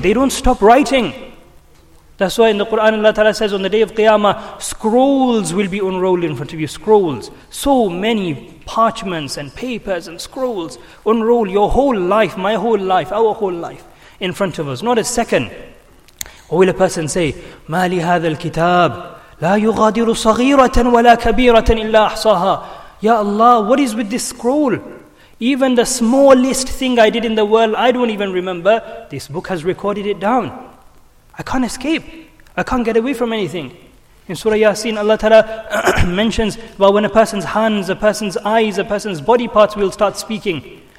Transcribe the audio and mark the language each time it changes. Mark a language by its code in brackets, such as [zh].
[en] They don't stop writing. That's why in the Quran, Allah Ta'ala says, on the day of Qiyamah, scrolls will be unrolled in front of you. Scrolls. So many parchments and papers and scrolls unroll your whole life, my whole life, our whole life in front of us. Not a second. What will a person say? [ar] مَا لِهَذَا الْكِتَابِ لا يغادر صغيرة ولا كبيرة إلا أحصاها. [en] Ya Allah, what is with this scroll? Even the smallest thing I did in the world, I don't even remember. This book has recorded it down. I can't escape. I can't get away from anything. In Surah Yasin, Allah Ta'ala mentions about when a person's hands, a person's eyes, a person's body parts will start speaking.